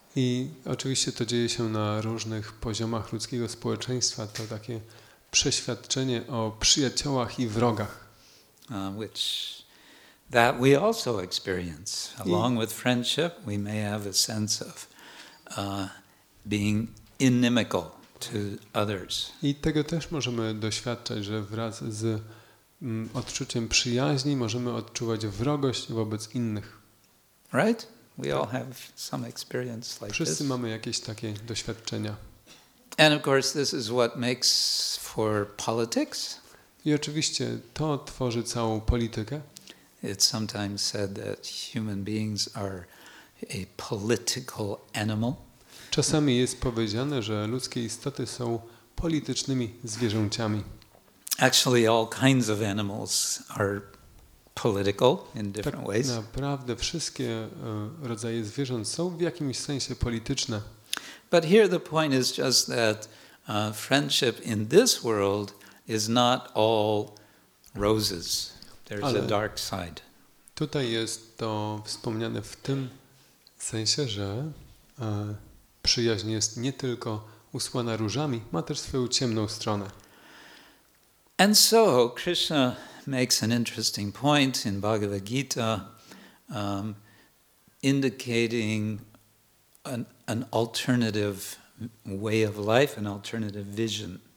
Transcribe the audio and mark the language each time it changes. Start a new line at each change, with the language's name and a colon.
Polish: I oczywiście to dzieje się na różnych poziomach ludzkiego społeczeństwa, to takie przeświadczenie o przyjaciołach i wrogach.
English: That we also experience along with friendship, we may have a sense of being inimical to others.
Polish: I tego też możemy doświadczać, że wraz z odczuciem przyjaźni możemy odczuwać wrogość wobec innych.
English: Right? We all have some experience like this.
Polish: Wszyscy mamy jakieś takie doświadczenia.
English: And of course, this is what makes for politics.
Polish: I oczywiście to tworzy całą politykę.
English: It's sometimes said that human beings are a political animal.
Polish: Czasami jest powiedziane, że ludzkie istoty są politycznymi zwierzęciami.
English: Actually, all kinds of animals are political in different ways.
Polish: Tak naprawdę wszystkie rodzaje zwierząt są w jakimś sensie polityczne.
English: But here the point is just that friendship in this world is not all roses. There's
Polish: Ale
English: a dark side.
Polish: Tutaj jest to wspomniane w tym sensie, że przyjaźń jest nie tylko usłana różami, ma też swoją ciemną stronę.
English: And so Krishna makes an interesting point in Bhagavad Gita, indicating an alternative way of life, an alternative vision.